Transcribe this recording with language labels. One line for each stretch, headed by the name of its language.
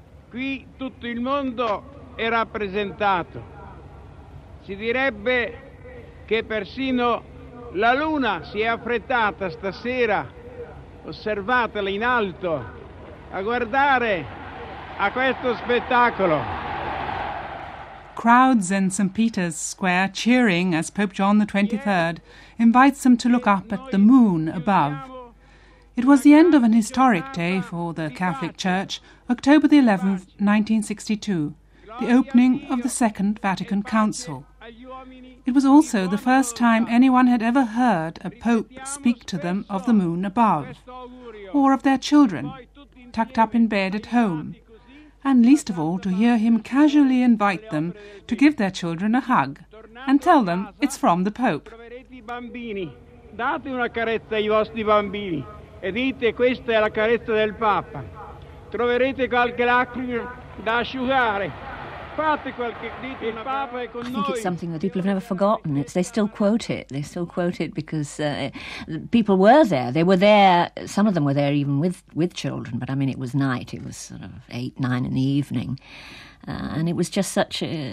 Italian: Qui tutto il mondo è rappresentato. Si direbbe che persino la luna si è affrettata stasera, osservatela in alto, a guardare a questo spettacolo.
English: Crowds in St. Peter's Square cheering as Pope John XXIII invites them to look up at the moon above. It was the end of an historic day for the Catholic Church, October the 11th, 1962, the opening of the Second Vatican Council. It was also the first time anyone had ever heard a pope speak to them of the moon above, or of their children, tucked up in bed at home. And least of all, to hear him casually invite them to give their children a hug and tell them it's from the Pope.
Italian: Date una carezza ai vostri bambini e dite questa è la carezza del Papa. Troverete qualche lacrima da asciugare.
English: I think it's something that people have never forgotten. They still quote it. They still quote it because people were there. They were there. Some of them were there even with children. But, I mean, it was night. It was sort of 8, 9 in the evening. And it was just such a...